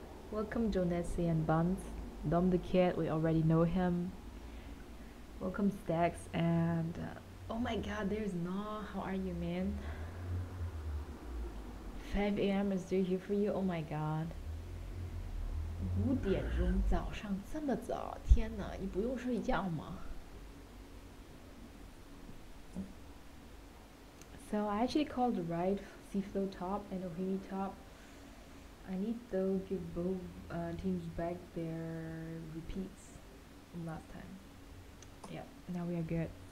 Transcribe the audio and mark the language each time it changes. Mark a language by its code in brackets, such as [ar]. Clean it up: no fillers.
[en] Welcome Jonesy and Buns. Dom the Kid, we already know him. Welcome Stacks and oh my god, there's Nah, how are you man? 5 AM is still here for you, oh my god. [zh] 5点钟早上这么早, 天哪, 你不用睡觉吗? [en] So I actually called the right Seaflow top and Ohimi top. I need to give both teams back their repeats from last time. Yeah, now we are good.